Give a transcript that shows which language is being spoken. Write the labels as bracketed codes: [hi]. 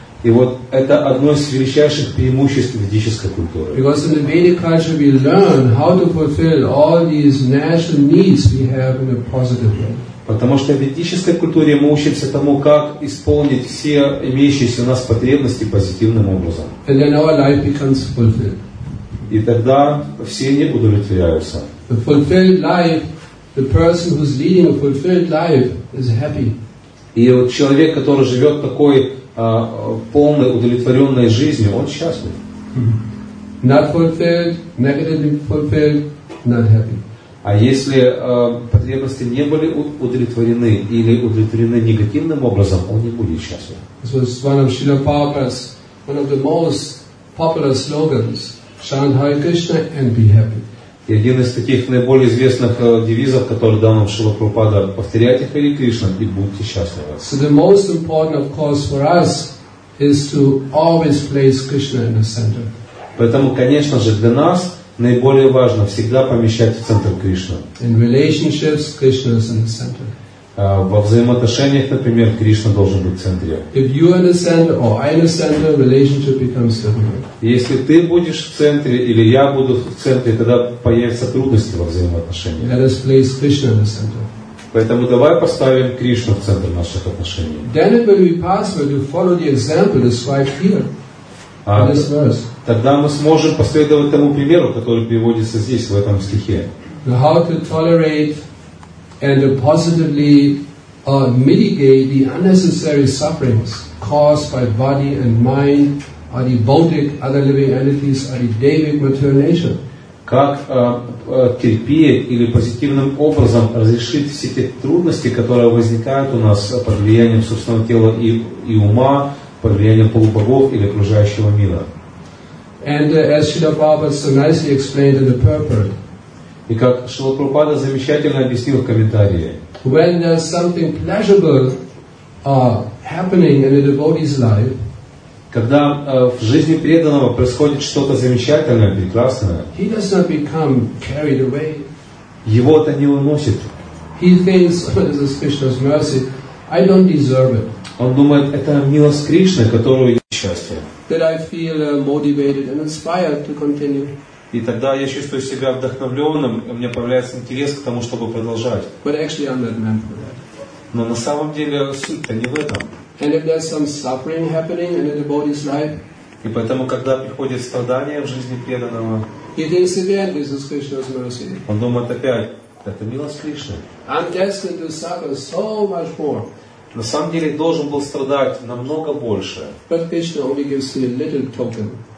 [ru] И вот это одно из величайших преимуществ ведической культуры. [en] Because in the Vedic culture we learn how to fulfill all these natural needs we have in a positive way. [ru] Потому что в ведической культуре мы учимся тому, как исполнить все имеющиеся у нас потребности позитивным образом. [en] And then our life becomes fulfilled. [ru] И тогда все не удовлетворяются. [en] The fulfilled life, the person who's leading a fulfilled life is happy. [ru] И вот человек, который живет такой полной удовлетворенной жизнью, он счастлив. [en] Not fulfilled, negatively fulfilled, not happy. [ru] А если потребности не были удовлетворены или удовлетворены негативным образом, он не будет счастлив. [en] This was one of Srila Prabhupada's, one of the most popular slogans. Chant Hare Krishna and be happy. [ru] И один из таких наиболее известных девизов, который дал нам Шрила Прабхупада, повторяйте Хари Кришна и будьте счастливы. [en] So the most important, of course, for us is to always place Krishna in the center. [ru] Поэтому, конечно же, для нас наиболее важно всегда помещать в центр Кришну. [en] In relationships, Krishna is in the center. [ru] Во взаимоотношениях, например, Кришна должен быть в центре. [en] If you are in the center or I am in the center, relationship becomes different. [ru] Если ты будешь в центре или я буду в центре, тогда появятся трудности во взаимоотношениях. [en] Let us place Krishna in the center. [ru] Поэтому давай поставим Кришну в центр наших отношений. [en] Then it will be possible to follow the example described here in this verse. [ru] Тогда мы сможем последовать тому примеру, который приводится здесь в этом стихе. [en] How to tolerate and to positively mitigate the unnecessary sufferings caused by body and mind, or the bodhic, other living entities, or the devic material nature. [ru] Как терпеть или позитивным образом разрешить все те трудности, которые возникают у нас под влиянием собственного тела и ума, под влиянием полубогов или окружающего мира. [en] And as Srila Prabhupada so nicely explained in the purport, [ru] и как Шрила Прабхупада замечательно объяснил в комментарии. [en] When there's something pleasurable happening in a devotee's life, [ru] когда в жизни преданного происходит что-то замечательное, прекрасное, [en] he does not become carried away. [ru] Его это не уносит. [en] He thinks, this is Krishna's mercy, I don't deserve it. [ru] Он думает, это милость Кришны, которую я счастье. [en] That I feel motivated and inspired to continue. [ru] И тогда я чувствую себя вдохновленным, у меня появляется интерес к тому, чтобы продолжать. [en] But actually I'm not meant for that. [ru] Но на самом деле суть-то не в этом. [en] And if there's some suffering happening in the body's life, [ru] и поэтому, когда приходит страдание в жизни преданного, [en] he thinks again, this is Krishna's mercy. [ru] Он думает опять, это милость Кришны. [en] I'm destined to suffer so much more. [ru] На самом деле должен был страдать намного больше. [en] But Krishna only gives me a little token.